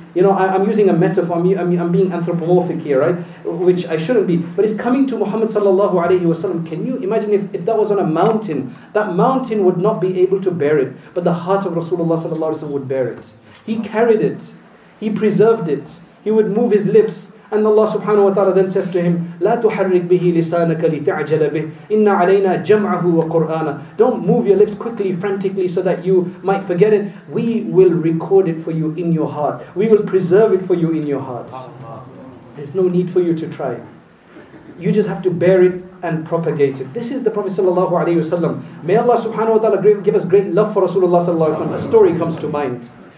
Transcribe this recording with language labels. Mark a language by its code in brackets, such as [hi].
[en] you know, I'm using a metaphor, I'm being anthropomorphic here, right? Which I shouldn't be. But it's coming to Muhammad sallallahu alayhi wa sallam. Can you imagine if that was on a mountain? That mountain would not be able to bear it. But the heart of Rasulullah sallallahu alayhi wa sallam would bear it. He carried it. He preserved it. He would move his lips. And Allah subhanahu wa ta'ala then says to him, [ar] لَا تُحَرِّكْ بِهِ لِسَانَكَ لِتَعْجَلَ بِهِ إِنَّ عَلَيْنَا جَمْعَهُ وَقُرْآنَ. [en] Don't move your lips quickly, frantically, so that you might forget it. We will record it for you in your heart. We will preserve it for you in your heart. There's no need for you to try. You just have to bear it and propagate it. This is the Prophet sallallahu alayhi wa sallam. May Allah subhanahu wa ta'ala give us great love for Rasulullah sallallahu alayhi wa sallam. A story comes to mind.